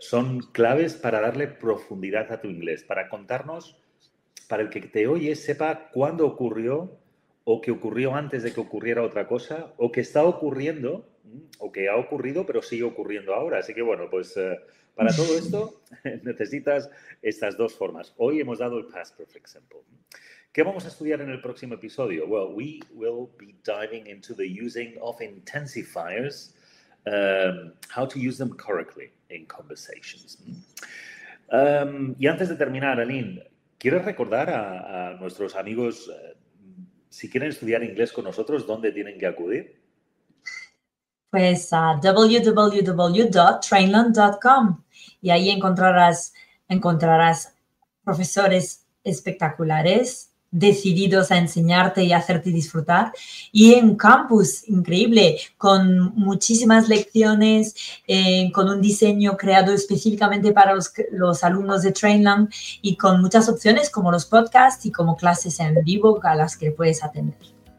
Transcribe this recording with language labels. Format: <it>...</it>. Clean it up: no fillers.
<es>Son claves para darle profundidad a tu inglés, para contarnos, para el que te oye sepa cuándo ocurrió o que ocurrió antes de que ocurriera otra cosa o que está ocurriendo o que ha ocurrido pero sigue ocurriendo ahora. Así que bueno, pues para todo esto necesitas estas dos formas. Hoy hemos dado el past perfect simple. ¿Qué vamos a estudiar en el próximo episodio?</es> <en>Well, we will be diving into the using of intensifiers, how to use them correctly in conversations.</en> <es>Y antes de terminar, Aline, ¿quieres recordar a nuestros amigos, si quieren estudiar inglés con nosotros, dónde tienen que acudir? Pues a www.trainland.com y ahí encontrarás profesores espectaculares, decididos a enseñarte y hacerte disfrutar, y en campus increíble con muchísimas lecciones, con un diseño creado específicamente para los alumnos de Trainland y con muchas opciones como los podcasts y como clases en vivo a las que puedes atender.</es>